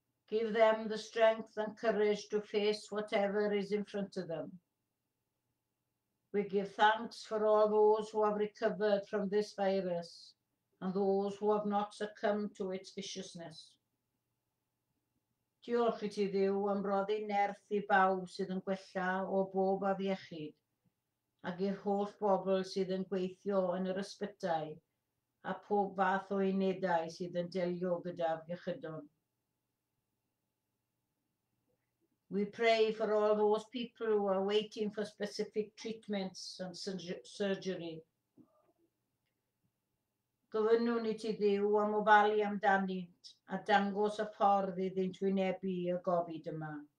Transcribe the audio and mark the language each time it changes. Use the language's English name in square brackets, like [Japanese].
[English] Give them the strength and courage to face whatever is in front of them. We give thanks for all those who have recovered from this virus and those who have not succumbed to its viciousness. [Welsh] Diolch I ti Dduw am roddi nerth I bawb sydd yn gwella o bob afiechyd ac i'r holl bobl sydd yn gweithio yn yr ysbytai a pob fath o unedau sydd yn delio gyda afiechydon. [English] We pray for all those people who are waiting for specific treatments and surgery. [Welsh] Gofynnw ni ti Dduw am ofalu amdanynt a dangos y ffordd iddynt wynebu y gofid yma.